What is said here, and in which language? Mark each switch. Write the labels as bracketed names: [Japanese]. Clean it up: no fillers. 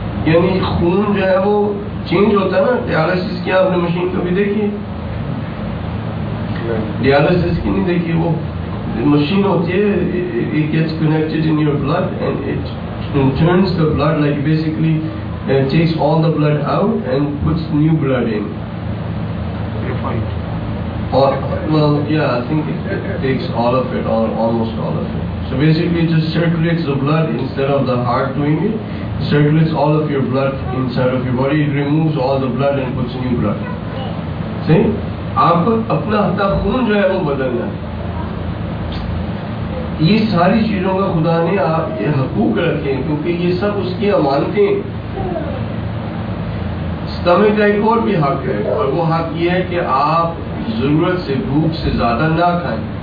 [Urdu] یعنی خون جو ہے وہ چینج ہوتا ہے نا, ڈیالیسس کی آپ نے مشین کبھی دیکھی ہے؟ ڈیالیسس کی نہیں دیکھی, وہ مشین ہوتی ہے, [English] it gets connected in your blood and it turns the blood like basically takes all the blood out and puts new blood in. Or, well, yeah, I think it takes all of it or almost all of it. So basically it just circulates the blood instead of the heart doing it. Circulates all of your blood inside of your body, it removes all the blood and puts new blood. See? [Urdu] آپ کو اپنا ہتا خون جو ہے وہ بدلنا ہے. یہ ساری چیزوں کا خدا نے آپ یہ حقوق رکھے ہیں کیونکہ یہ سب اس کی امانتیں. استمے کا ایک اور بھی حق ہے, اور وہ حق یہ ہے کہ آپ ضرورت سے بھوک سے زیادہ نہ کھائیں.